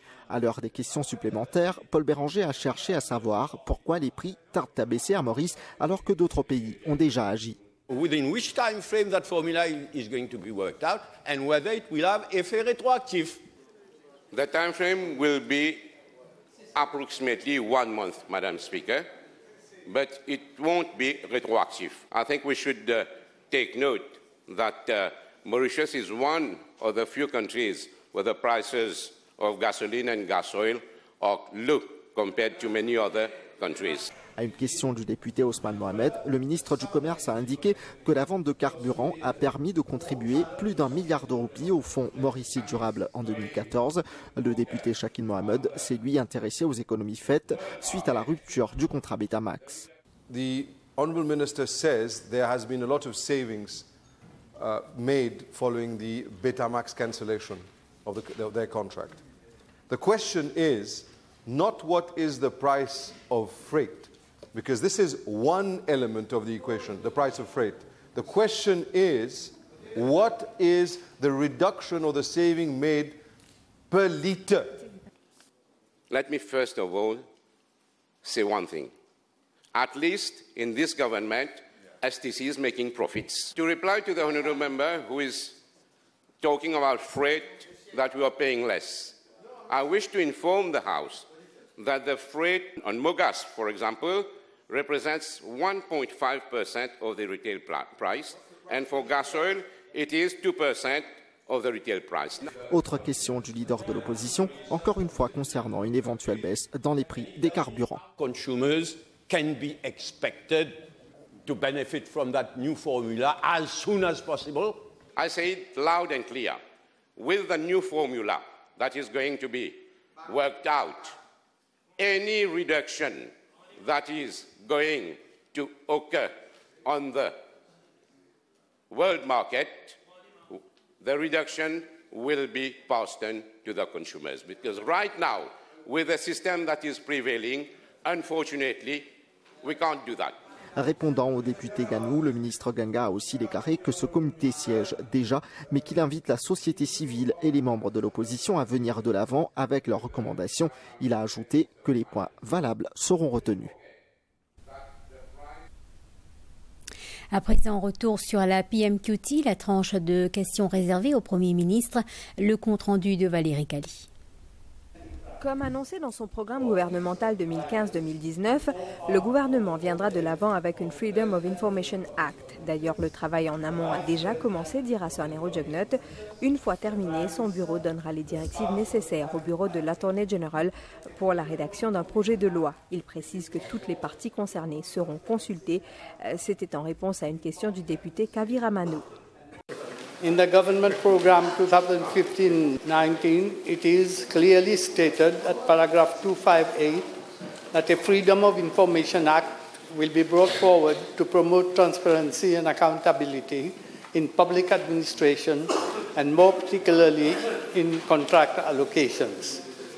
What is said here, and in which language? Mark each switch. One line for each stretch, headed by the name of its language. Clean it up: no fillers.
French: À l'heure des questions supplémentaires, Paul Béranger a cherché à savoir pourquoi les prix tardent à baisser à Maurice alors que d'autres pays ont déjà agi.
English: Within which time frame that formula is going to be worked out and whether it will have
French: effet rétroactif.
English: The time frame will be approximately 1 month, Madam Speaker, but it won't be retroactive. I think we should take note that Mauritius is one of the few countries where the prices of gasoline and gas oil are low compared to many other countries.
French: À une question du député Ousmane Mohamed, le ministre du Commerce a indiqué que la vente de carburant a permis de contribuer plus d'un milliard de roupies au fonds Mauricie Durable en 2014. Le député Chakin Mohamed s'est lui intéressé aux économies faites suite à la rupture du contrat Betamax.
English: The honorable minister says there has been a lot of savings made following the Betamax cancellation of their contract. The question is not what is the price of freight. Because this is one element of the equation, the price of freight. The question is, what is the reduction or the saving made per liter? Let me first of all say one thing. At least in this government, STC is making profits. To reply to the honourable member who is talking about freight that we are paying less, I wish to inform the House that the freight on Mogas, for example, represents 1.5% of the retail price, and for gas oil, it is 2% of the retail price.
French: Autre question du leader de l'opposition, encore une fois concernant une éventuelle baisse dans les prix des carburants.
English: Consumers can be expected to benefit from that new formula as soon as possible. I say it loud and clear. With the new formula that is going to be worked out, any reduction that is going to occur on the world market, the reduction will be passed on to the consumers. Because right now, with the system that is prevailing, unfortunately, we can't do that.
French: Répondant au député Ganou, le ministre Ganga a aussi déclaré que ce comité siège déjà, mais qu'il invite la société civile et les membres de l'opposition à venir de l'avant avec leurs recommandations. Il a ajouté que les points valables seront retenus. À présent, retour sur la PMQT, la tranche de questions réservée au Premier ministre, le compte-rendu de Valérie Cali. Comme annoncé dans son programme gouvernemental 2015-2019, le gouvernement viendra de l'avant avec une Freedom of Information Act. D'ailleurs, le travail en amont a déjà commencé, dira Sir Jugnot. Une fois terminé, son bureau donnera les directives nécessaires au bureau de l'Attorney General pour la rédaction d'un projet de loi. Il précise que toutes les parties concernées seront consultées. C'était en réponse à une question du député Kavi Ramanu.
English: In the government program 2015-19, it is clearly stated at paragraph 258 that a Freedom of Information Act will be brought forward to promote transparency and accountability in public administration and more particularly in contract allocations.